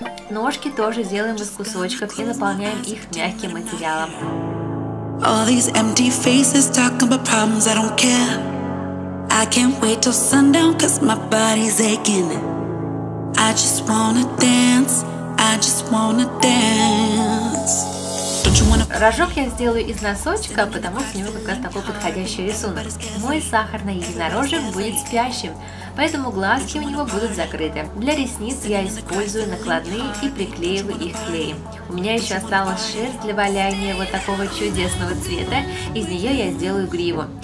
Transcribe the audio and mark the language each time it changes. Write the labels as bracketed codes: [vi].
[ru] Ножки тоже делаем из кусочков и наполняем их мягким материалом. [en] All these empty faces talking about problems, I don't care. I can't wait till sundown, cause my body's aching. I just wanna dance, I just wanna dance. [ru] Рожок я сделаю из носочка, потому что у него как раз такой подходящий рисунок. Мой сахарный единорожек будет спящим, поэтому глазки у него будут закрыты. Для ресниц я использую накладные и приклеиваю их клеем. У меня еще осталась шерсть для валяния вот такого чудесного цвета, из нее я сделаю гриву.